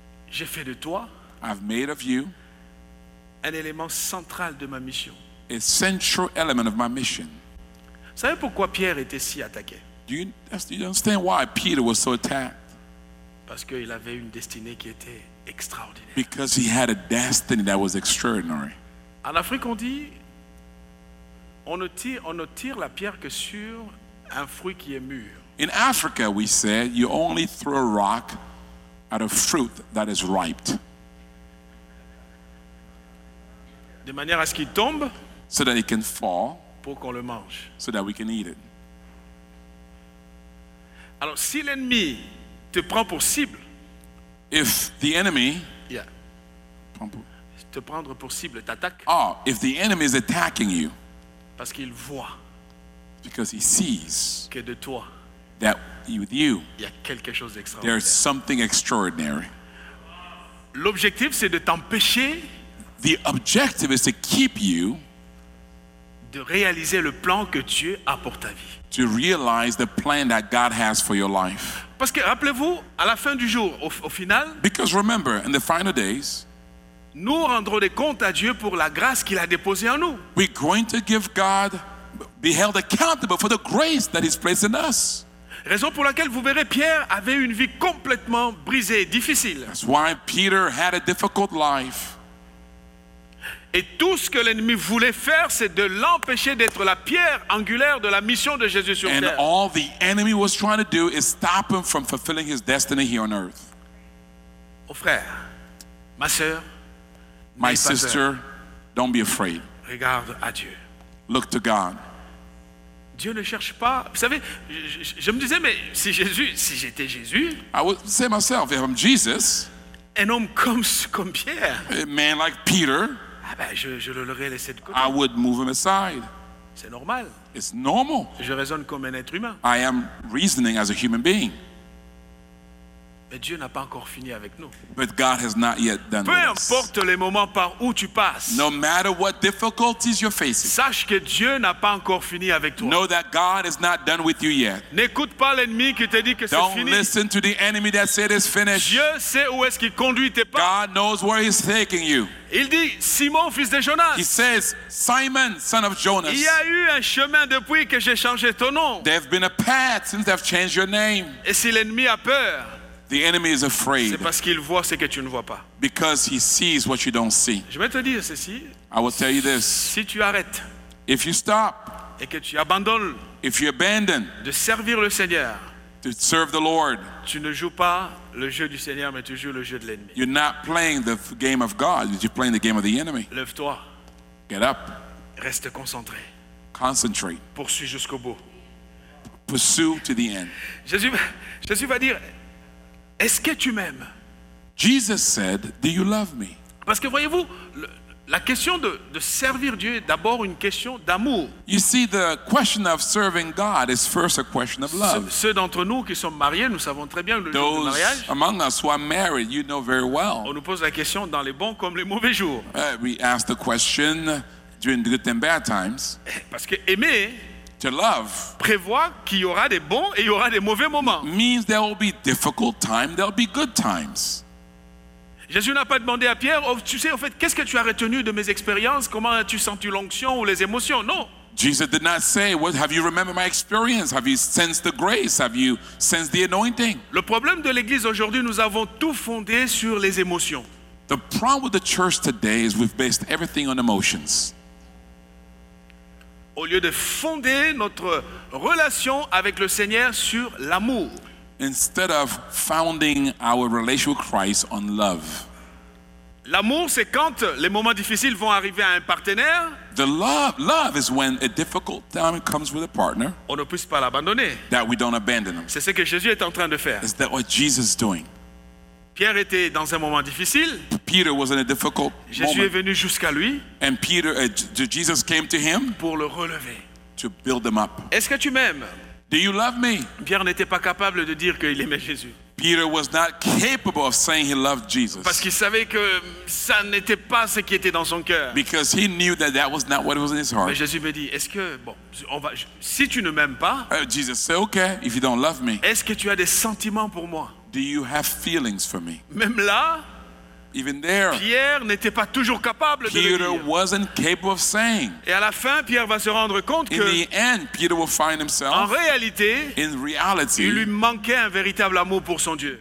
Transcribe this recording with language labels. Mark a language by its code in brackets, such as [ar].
[fr] J'ai fait de toi, [en] I've made of you, [fr] un élément central de ma mission. [en] A central element of my mission. [fr] Vous savez pourquoi Pierre était si attaqué? [en] Do you understand why Peter was so attacked? [fr] Parce qu'il avait une destinée qui était extraordinaire. [en] Because he had a destiny that was extraordinary. [fr] En Afrique, on dit, on ne tire la pierre que sur un fruit qui est mûr. [en] In Africa, we say, you only throw a rock at a fruit that is ripe. [fr] De manière à ce qu'il tombe. [en] So that it can fall. [fr] Pour qu'on le mange. [en] So that we can eat it. [fr] Alors, si l'ennemi te prend pour cible. [en] If the enemy. [fr] Yeah. Te prendre pour cible, t'attaque. [en] Oh, if the enemy is attacking you, [fr] parce qu'il voit, [en] because he sees [fr] que de toi, [en] that with you, [fr] y a quelque chose d'extraordinaire. [en] There is something extraordinary. [fr] L'objectif c'est de t'empêcher. [en] The objective is to keep you [fr] de réaliser le plan que Dieu a pour ta vie. [en] To realize the plan that God has for your life. [fr] Parce que rappelez-vous, à la fin du jour, au final. [en] Because remember, in the final days. [fr] Nous rendrons des comptes à Dieu pour la grâce qu'il a déposée en nous. [en] We're going to give God, be held accountable for the grace that He's placed in us. [fr] Raison pour laquelle vous verrez Pierre avait une vie complètement brisée, difficile. [en] That's why Peter had a difficult life. [fr] Et tout ce que l'ennemi voulait faire, c'est de l'empêcher d'être la pierre angulaire de la mission de Jésus sur [en] and [fr] terre. [en] And all the enemy was trying to do is stop him from fulfilling his destiny here on earth. [fr] Oh frère, ma sœur. [en] My sister, don't be afraid. [fr] Regarde à Dieu. [en] Look to God. [fr] Dieu ne cherche pas. Vous savez, je me disais, mais si Jésus, si j'étais Jésus, [en] I would say myself, if I'm Jesus, [fr] un homme comme Pierre, [en] a man like Peter, [fr] ah ben, je l'aurais laissé de côté. [en] I would move him aside. [fr] C'est normal. [en] It's normal. [fr] Je raisonne comme un être humain. [en] I am reasoning as a human being. [fr] Mais Dieu n'a pas encore fini avec nous. [en] But God has not yet done [fr] Peu importe [en] us. [fr] Les moments par où tu passes. [en] No matter what difficulties you're facing. [fr] Sache que Dieu n'a pas encore fini avec toi. [en] Know that God is not done with you yet. [fr] N'écoute pas l'ennemi qui te dit que [en] Don't [fr] c'est fini. [en] Don't listen to the enemy that said it's finished. [fr] Dieu sait où est-ce qu'il conduit tes pas. [en] God knows where he's taking you. [fr] Il dit Simon fils de Jonas. [en] He says Simon son of Jonas. [fr] Il y a eu un chemin depuis que j'ai changé ton nom. [en] There's been a path since I've changed your name. [fr] Et si l'ennemi a peur? [en] The enemy is afraid. [fr] C'est parce qu'il voit ce que tu ne vois pas. [en] Because he sees what you don't see. [fr] Je vais te dire ceci. [en] I will tell you this. [fr] Si tu arrêtes. [en] If you stop. [fr] Et que tu abandonnes. [en] If you abandon. [fr] De servir le Seigneur. [en] To serve the Lord. [fr] Tu ne joues pas le jeu du Seigneur, mais tu joues le jeu de l'ennemi. [en] You're not playing the game of God. You're playing the game of the enemy. [fr] Lève-toi. [en] Get up. [fr] Reste concentré. [en] Concentrate. [fr] Poursuis jusqu'au bout. [en] Pursue to the end. [fr] Jésus va dire. Est-ce que tu m'aimes? [en] Jesus said, "Do you love me?" [fr] Parce que voyez-vous, la question de servir Dieu est d'abord une question d'amour. [en] You see, the question of serving God is first a question of love. [fr] Ceux d'entre nous qui sont mariés, nous savons très bien le jour du mariage. [en] Those among us who are married, you know very well. [fr] On nous pose la question dans les bons comme les mauvais jours. [en] We ask the question during the good and bad times. [fr] Parce que aimer. [en] To love [fr] prévoit qu'il y aura des bons et il y aura des mauvais moments. [en] Means there will be difficult times, there will be good times. [fr] Jésus n'a pas demandé à Pierre, oh, tu sais, en fait, qu'est-ce que tu as retenu de mes expériences? Comment as-tu senti l'onction ou les émotions? Non. [en] Jesus did not say, what have you remembered my experience? Have you sensed the grace? Have you sensed the anointing? [fr] Le problème de l'Église aujourd'hui, nous avons tout fondé sur les émotions. [en] The problem with the church today is we've based everything on emotions. [fr] Au lieu de fonder notre relation avec le Seigneur sur l'amour. [en] Instead of founding our relationship with Christ on love. [fr] L'amour, c'est quand les moments difficiles vont arriver à un partenaire. [en] The love is when a difficult time comes with a partner. [fr] On ne puisse pas l'abandonner. [en] That we don't abandon him. [fr] C'est ce que Jésus est en train de faire. [en] Is that what Jesus is doing? [fr] Pierre était dans un moment difficile. [en] Peter was in a difficult [fr] Jésus [en] moment. [fr] Jésus est venu jusqu'à lui. [en] And Peter, Jesus came to him. [fr] Pour le relever. [en] To build him up. [fr] Est-ce que tu m'aimes? [en] Do you love me? [fr] Pierre n'était pas capable de dire qu'il aimait Jésus. [en] Peter was not capable of saying he loved Jesus. [fr] Parce qu'il savait que ça n'était pas ce qui était dans son cœur. [en] Because he knew that that was not what was in his heart. [fr] Mais Jésus me dit, est-ce que bon, on va, si tu ne m'aimes pas? [en] Jesus said, okay, if you don't love me. [fr] Est-ce que tu as des sentiments pour moi? [en] Do you have feelings for me? [fr] Même là, [en] even there, [fr] Pierre n'était pas toujours capable [en] Peter [fr] de le dire. [en] Peter wasn't capable of saying. [fr] Et à la fin, Pierre va se rendre compte [en] in [fr] que, [en] the end, Peter will find himself, [fr] en réalité, [en] in reality, [fr] il lui manquait un véritable amour pour son Dieu.